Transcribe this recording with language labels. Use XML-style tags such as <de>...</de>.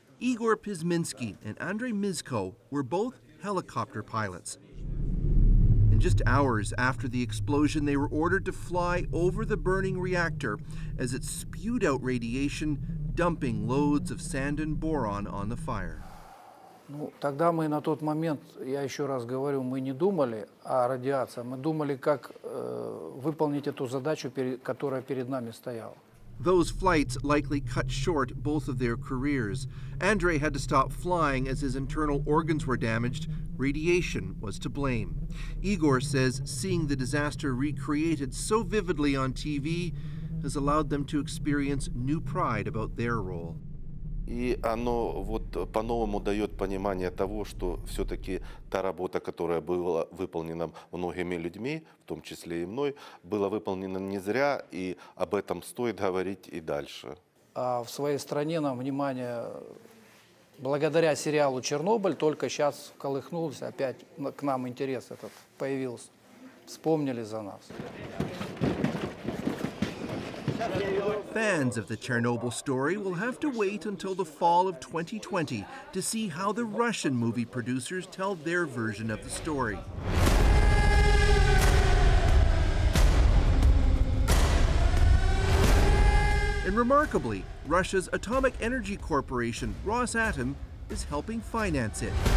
<en>Igor Pizminski and Andrei Mizko were both helicopter pilots. And just hours after the explosion, they were ordered to fly over the burning reactor as it spewed out radiation, dumping loads of sand and boron on the fire.</en> <ru>Тогда мы на тот момент, я еще раз говорю, мы не думали о радиации, мы думали, как выполнить эту задачу, которая перед нами стояла.</ru> <en>Those flights likely cut short both of their careers. Andrei had to stop flying as his internal organs were damaged. Radiation was to blame. Igor says seeing the disaster recreated so vividly on TV has allowed them to experience new pride about their role.</en> <ru>И оно вот по-новому дает понимание того, что все-таки та работа, которая была выполнена многими людьми, в том числе и мной, была выполнена не зря, и об этом стоит говорить и дальше. А в своей стране нам внимание, благодаря сериалу «Чернобыль», только сейчас колыхнулся, опять к нам интерес этот появился, вспомнили за нас.</ru> <en>Fans of the Chernobyl story will have to wait until the fall of 2020 to see how the Russian movie producers tell their version of the story. And remarkably, Russia's Atomic Energy Corporation, Rosatom, is helping finance it.</en>